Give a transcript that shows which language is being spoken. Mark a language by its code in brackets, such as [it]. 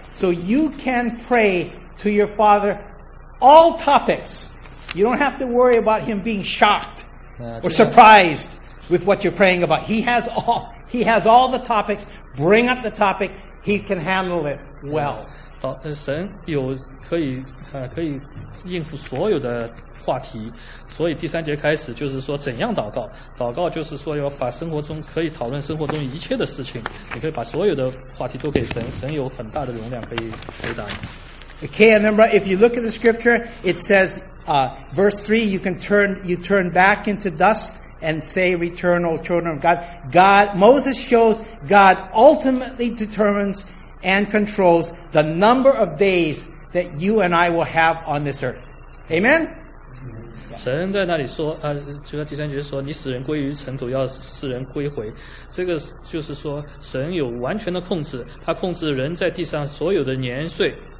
[en] So you can pray to your father all topics. You don't have to worry about him being shocked or surprised with what you're praying about. He has all the topics. Bring up the topic. He can handle it well. [zh] 好，神有可以可以应付所有的话题，所以第三节开始就是说怎样祷告。祷告就是说要把生活中可以讨论生活中一切的事情，你可以把所有的话题都给神，神有很大的容量可以回答你。 [en] Okay, and then if you look at the scripture, it says, verse 3, you turn back into dust and say, return, O children of God. Moses shows God ultimately determines and controls the number of days that you and I will have on this earth. Amen? [zh] 神在那里说，就像第三节说，你使人归于尘土，要使人归回。这个就是说，神有完全的控制，他控制人在地上所有的年岁。